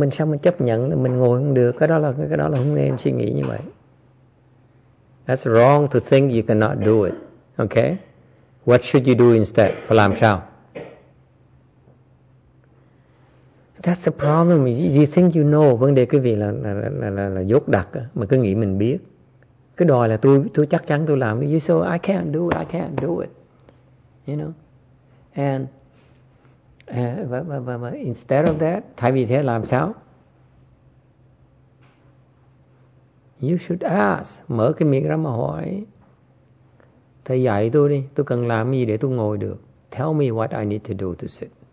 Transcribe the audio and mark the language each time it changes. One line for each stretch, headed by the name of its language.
Vietnamese: Mình sao mình chấp nhận là mình ngồi không được? Cái đó là không nên suy nghĩ như vậy.
English: That's wrong to think you cannot do it. Okay? What should you do instead?
Vietnamese: Phải làm sao?
English: That's the problem. You think you know.
Vietnamese: Vấn đề quý vị là dốt đặc mà cứ nghĩ mình biết. Cứ đòi là tôi chắc chắn tôi làm.
English: You say, I can't do it. You know? And instead of that,
Vietnamese: thay vì thế làm sao?
English: You should ask.
Vietnamese: Mở cái miệng ra mà hỏi. Thầy dạy tôi đi. Tôi cần làm gì để tôi ngồi được?
English: Tell me what I need to do to sit.